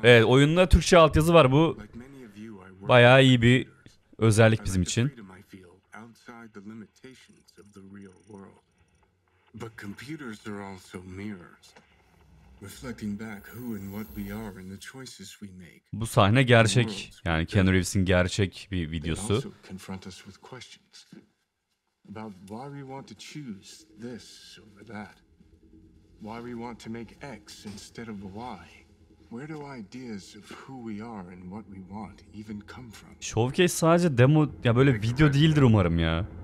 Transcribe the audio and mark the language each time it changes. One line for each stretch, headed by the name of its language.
Turkish: Evet, oyunda Türkçe altyazı var, bu bayağı iyi bir özellik bizim için.
English: Outside the limitations of the real world. But computers are also mirrors, reflecting back who and what we are and the choices we make.
Turkish: Bu sahne gerçek. Yani Keanu Reeves'in gerçek bir videosu.
English: Confront us with questions about why we want to choose this over that. Why we want to make X instead of Y. Where do ideas of who we are and what we want even come from?
Turkish: Showcase sadece demo, ya böyle video değildir umarım ya.